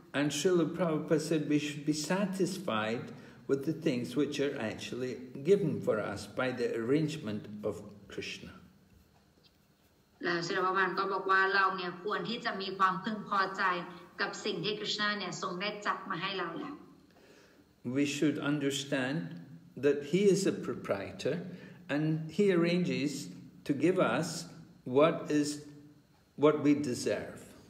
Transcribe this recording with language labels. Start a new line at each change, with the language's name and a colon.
English: And Srila Prabhupada said we should be satisfied with the things which are actually given for us by the arrangement of Krishna
Thai: แล้วศรีพระบาลก็บอกว่าเราเนี่ยควรที่จะมีความพึงพอใจกับสิ่งที่ Krishna เนี่ยทรงได้จัดมาให้เราแล้ว
English: We should understand that he is a proprietor and he arrangesTo give us what is what we deserve.